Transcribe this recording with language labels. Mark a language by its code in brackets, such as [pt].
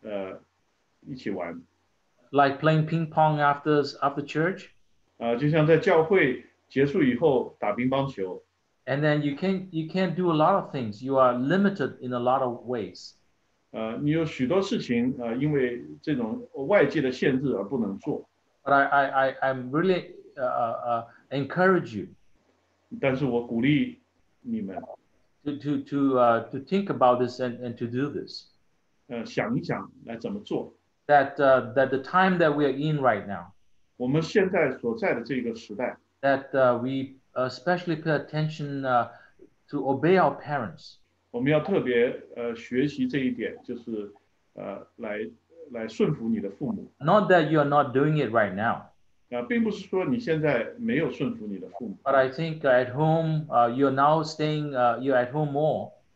[zh] 不能够与你的朋友一起玩。 [en] Like playing ping pong after church. [zh] 就像在教会结束以后打乒乓球。 [en] And then you can't do a lot of things. You are limited in a lot of ways. [zh] 你有许多事情因为这种外界的限制而不能做。 [en] But I'm really encourage you. [zh] 但是我鼓励。 [en] To think about this and to do this. [zh] 想一想来怎么做? [en] That the time that we are in right now. [zh] 我们现在所在的这个时代, [en] that we especially pay attention to obey our parents. [zh] 我们要特别学习这一点, 就是来顺服你的父母。 [en] Not that you are not doing it right now. [zh] 并不是说你现在没有顺服你的父母。 [en] But I think at home, you're now staying, you're at home more.